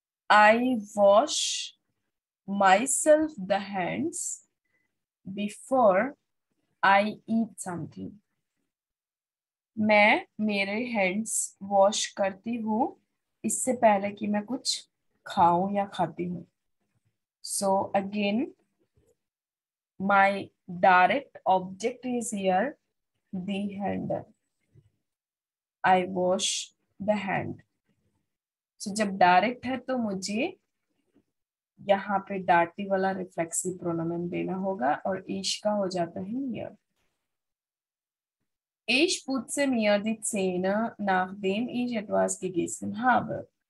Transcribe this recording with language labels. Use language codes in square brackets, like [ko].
[en] I wash myself the hands before I eat something. [hi] मैं मेरे hands wash करती हूँ इससे पहले कि मैं कुछ खाऊं या खाती हूँ. [en] So again my direct object is here the hand. I wash the hand. [hi] सो जब डायरेक्ट है तो मुझे यहाँ पे डार्टी वाला रिफ्लेक्सिव प्रोनोमेन देना होगा और ईश का हो जाता है here. [de] Ich putze mir die Zähne, nachdem ich etwas gegessen habe.